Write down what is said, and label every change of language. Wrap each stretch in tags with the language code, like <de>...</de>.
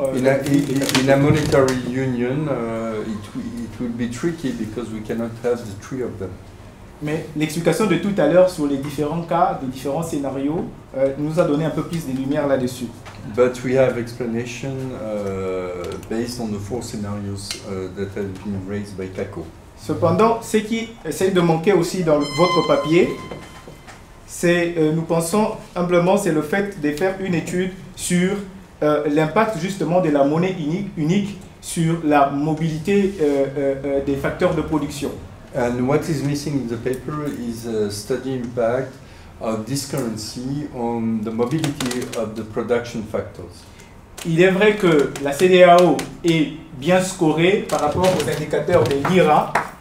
<en>In a monetary union, it would be tricky because we cannot have the three of them.</en> <fr>Mais l'explication de tout à l'heure sur les différents cas, les différents scénarios, nous a donné un peu plus de lumière là-dessus.</fr> <en>But we have explanation based on the four scenarios that have been raised by CACO.</en> <fr>Cependant, ce qui essaye de manquer aussi dans votre papier, c'est, nous pensons humblement, c'est le fait de faire une étude sur l'impact justement de la monnaie unique sur la mobilité des facteurs de production.</fr> <en>And what is missing in the paper is a study impact of this currency on the mobility of the production factors.</en> <fr>Il est vrai que la CEDEAO est bien scorée par rapport aux indicateurs des lira.</fr>